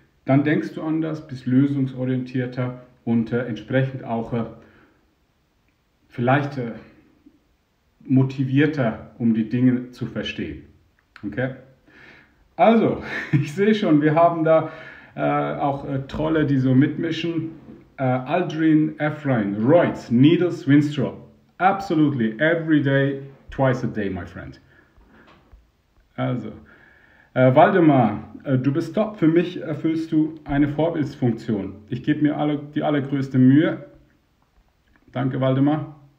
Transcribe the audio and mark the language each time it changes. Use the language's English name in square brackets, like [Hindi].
[German] Dann denkst du anders, bist lösungsorientierter und entsprechend auch vielleicht motivierter, um die Dinge zu verstehen. Okay? Also, ich sehe schon, wir haben da auch Trolle, die so mitmischen. Aldrin, Efrain, Reutz, Needles, Winstrop. [English] Absolutely, every day, twice a day, my friend. [German] Also, Waldemar, du bist top. Für mich erfüllst du eine Vorbildsfunktion. Ich gebe mir die allergrößte Mühe. Danke, Waldemar.